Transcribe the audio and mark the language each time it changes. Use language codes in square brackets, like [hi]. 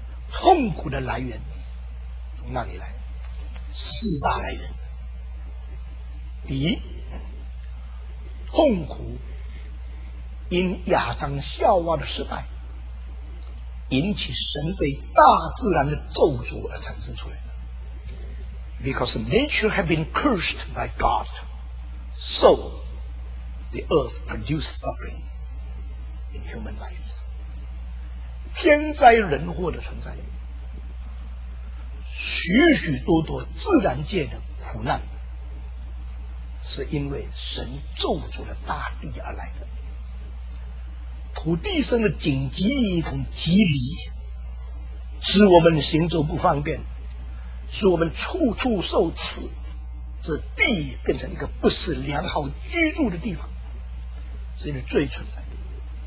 [zh] 痛苦的来源从哪里来？四大来源。第一，痛苦因亚当夏娃的失败引起神对大自然的咒诅而产生出来的。 [en] Because nature has been cursed by God, so the earth produced suffering in human lives. [zh] 天灾人祸的存在，许许多多自然界的苦难是因为神咒诅了大地而来的。土地生的荆棘一同棘藜，使我们行走不方便，使我们处处受刺，这地变成一个不是良好居住的地方，这是罪存在的。